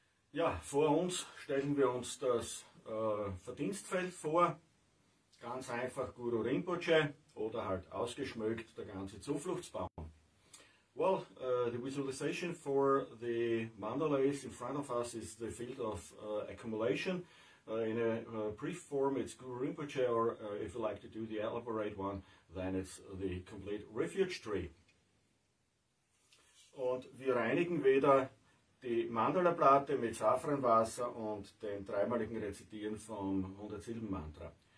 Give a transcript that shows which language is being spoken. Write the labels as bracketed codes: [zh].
[de] Ja, vor uns stellen wir uns das Verdienstfeld vor, ganz einfach Guru Rinpoche oder halt ausgeschmückt der ganze Zufluchtsbaum. [en] Well, the visualization for the mandala is in front of us is the field of accumulation. In a brief form it's Guru Rinpoche, or if you like to do the elaborate one, then it's the complete refuge tree. [de] Und wir reinigen wieder die Mandala-Platte mit Safranwasser und dem dreimaligen Rezitieren vom 107 Mantra.